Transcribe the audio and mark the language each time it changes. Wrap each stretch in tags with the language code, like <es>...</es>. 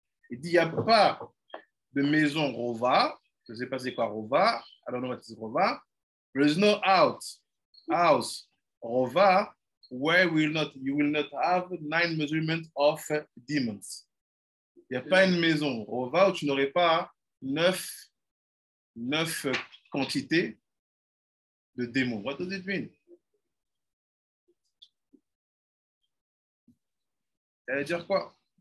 <fr>Il dit, il n'y a pas de maison rova. Je ne sais pas c'est quoi rova.</fr> <en>I don't know what is rova. There is no house rova where you will not have nine measurements of demons.</en> <fr>Il n'y a pas une maison Rova où tu n'aurais pas neuf quantités</fr> <en>The demon. What does it mean?</en> <fr>Ça veut dire quoi?</fr>